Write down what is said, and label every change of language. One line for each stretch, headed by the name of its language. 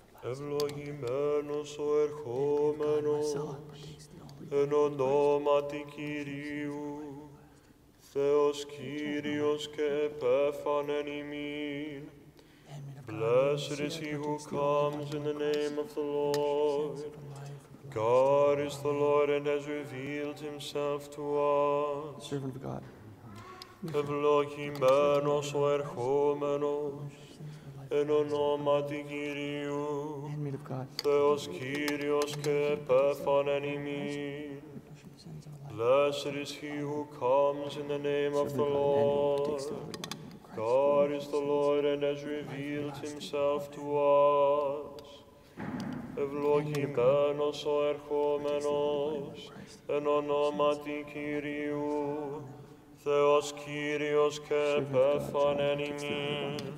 Greek: Ευλογημένος ο ερχόμενος εν ονόματι Κυρίου Θεός Κύριος και επέφανεν ημίν.
English: Blessed is he who comes in the name of the Lord. God is the Lord and has revealed himself to us. Servant of God.
Greek: Ευλογημένος ο ερχόμενος εν ονόματι Κυρίου Θεός Κύριος και επέφανεν ημίν.
English: Blessed is he who comes in the name of the Lord. God is the Lord and has revealed himself to us.
Greek: Ευλογημένος ο ερχόμενος εν ονόματι Κυρίου Θεός Κύριος και επέφανεν ημίν.